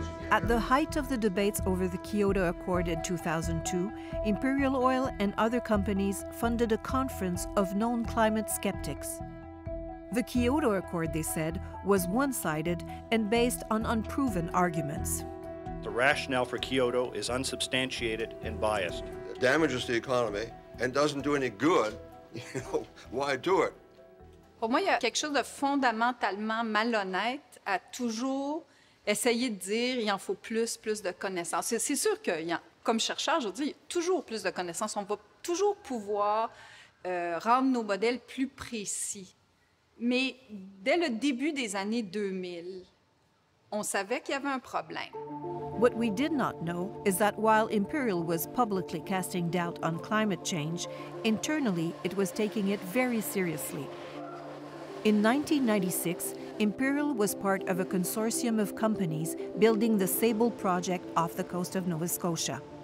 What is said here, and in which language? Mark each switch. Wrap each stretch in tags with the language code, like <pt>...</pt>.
<en>At the height of the debates over the Kyoto Accord in 2002, Imperial Oil and other companies funded a conference of known climate skeptics. The Kyoto Accord, they said, was one-sided and based on unproven arguments. The rationale for Kyoto is unsubstantiated and biased. It damages the economy and doesn't do any good. You know, why do it?</en> <fr>Pour moi, il y a quelque chose de fondamentalement malhonnête à toujours essayer de dire il en faut plus de connaissances. C'est sûr que, comme chercheur, je veux dire, toujours plus de connaissances. On va toujours pouvoir rendre nos modèles plus précis. Mais dès le début des années 2000, on savait qu'il y avait un problème.</fr> <en>What we did not know is that while Imperial was publicly casting doubt on climate change, internally it was taking it very seriously. In 1996, Imperial was part of a consortium of companies building the Sable project off the coast of Nova Scotia.</en>